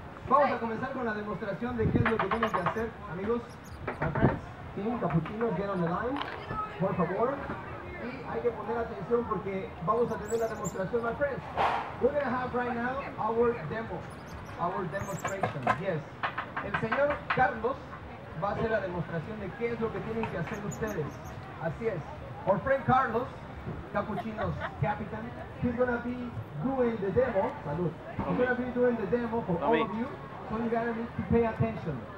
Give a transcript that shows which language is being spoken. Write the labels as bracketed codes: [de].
[es] Vamos a comenzar con la demostración de qué es lo que tienen que hacer, amigos. Sí, Capuchino, [en] get on the line, [es] por favor. Y hay que poner atención porque vamos a tener la demostración, [en] my friends. We're going to have right now our demo, our demonstration, yes. [es] El señor Carlos va a hacer la demostración de qué es lo que tienen que hacer ustedes. Así es. [en] Our friend Carlos, Capuchino's captain, he's going to be doing the demo. Salud. He's going to be doing the demo for all of you, so you got to need to pay attention.